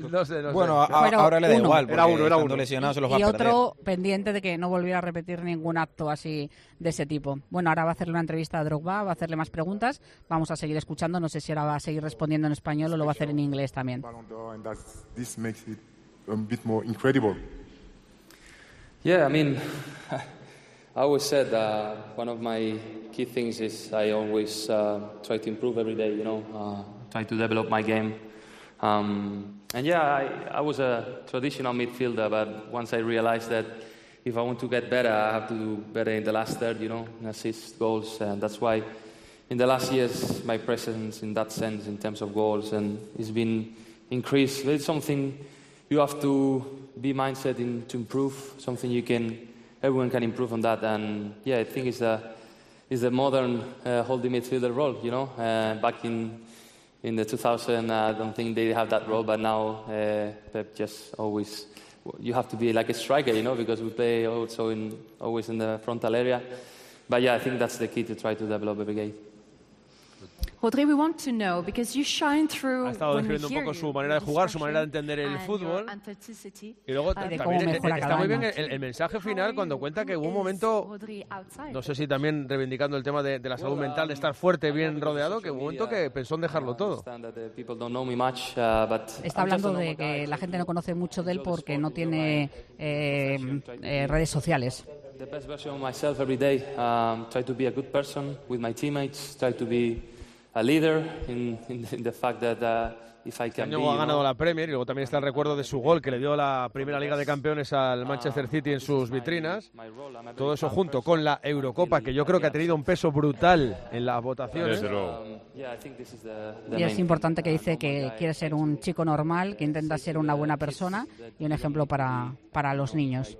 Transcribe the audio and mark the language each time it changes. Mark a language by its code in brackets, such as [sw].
[es] No sé. Ahora le da igual. Era uno. Lesionado, se los y va a otro perder. Pendiente de que no volviera a repetir ningún acto así de ese tipo. Bueno, ahora va a hacerle una entrevista a Drogba, va a hacerle más preguntas. Vamos a seguir escuchando. No sé si ahora va a seguir respondiendo en español o lo va a hacer en inglés también. [en] I always said that one of my key things is I always try to improve every day, you know, try to develop my game. I was a traditional midfielder, but once I realized that if I want to get better, I have to do better in the last third, you know, assist, goals, and that's why in the last years my presence in that sense, in terms of goals, and it's been increased. It's something you have to be mindset in to improve, something you can... everyone can improve on that, and yeah, I think it's the modern holding midfielder role. You know, back in the 2000, I don't think they have that role, but now Pep just always, you have to be like a striker, you know, because we play also always in the frontal area. But yeah, I think that's the key to try to develop every game. Audrey, we want to know because you shine through. [es] Ha estado describiendo un poco su manera de jugar, su manera de entender el fútbol. Y luego también está muy bien el mensaje final cuando cuenta que hubo un momento, no sé si también reivindicando el tema de la salud mental, de estar fuerte, bien rodeado, que hubo un momento que pensó en dejarlo todo. Está hablando de que la gente no conoce mucho de él porque no tiene redes sociales. [en] The best version of myself every day. Try to be a good person with my teammates. Try to be a leader in the fact that if I can. [es] Ha ganado la Premier y luego también está el recuerdo de su gol que le dio la primera Liga de Campeones al Manchester City en sus vitrinas. Todo eso junto con la Eurocopa que yo creo que ha tenido un peso brutal en las votaciones. Y es importante que dice que quiere ser un chico normal, que intenta ser una buena persona y un ejemplo para los niños.